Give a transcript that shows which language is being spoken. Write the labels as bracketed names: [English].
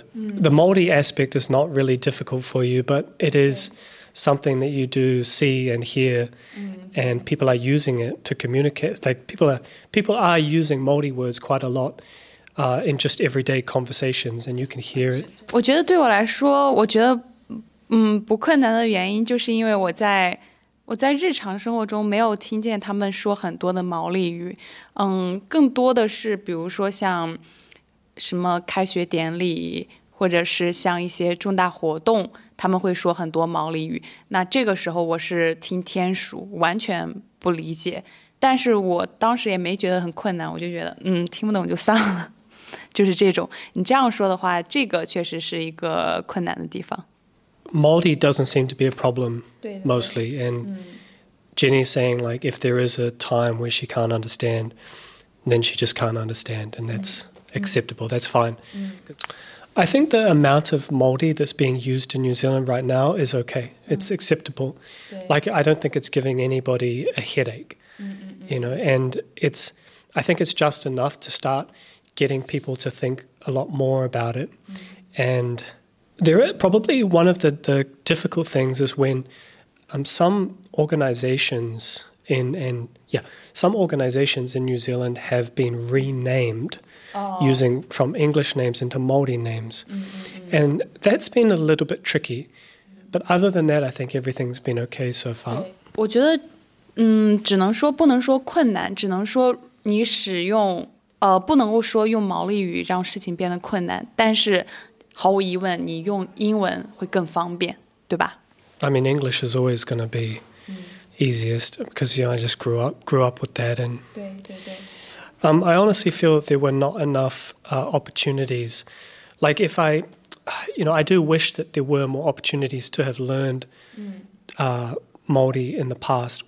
[English] Mm. The Māori aspect is not really difficult for you, but it is something that you do see and hear, and people are using it to communicate. Like people are using Māori words quite a lot in just everyday conversations, and you can hear it. [Chinese] 我觉得对我来说，我觉得不困难的原因，就是因为我在日常生活中没有听见他们说很多的毛利语。更多的是比如说像。什么开学典礼，或者是像一些重大活动，他们会说很多毛利语。那这个时候我是听天书，完全不理解。但是我当时也没觉得很困难，我就觉得听不懂就算了，就是这种。你这样说的话，这个确实是一个困难的地方。 [English] Māori doesn't seem to be a problem, mostly. [Chinese] 对对对 [English] And Jenny's saying like if there is a time where she can't understand, then she just can't understand, and that's acceptable, that's fine. Mm. I think the amount of Māori that's being used in New Zealand right now is okay. It's acceptable. Like, I don't think it's giving anybody a headache, mm-hmm. you know, and I think it's just enough to start getting people to think a lot more about it. Mm. And there are probably one of the difficult things is when some organizations in New Zealand have been renamed using from English names into Māori names. Mm-hmm. And that's been a little bit tricky. But other than that, I think everything's been okay so far. [Chinese] 我觉得只能说不能说困难，只能说你使用不能够说用毛利语让事情变得困难，但是毫无疑问你用英文会更方便，对吧？ [English] I mean, English is always going to be easiest because, you know, I just grew up with that. And [Chinese] 对对对。 [English] I honestly feel that there were not enough opportunities. Like if I, you know, I do wish that there were more opportunities to have learned Māori in the past.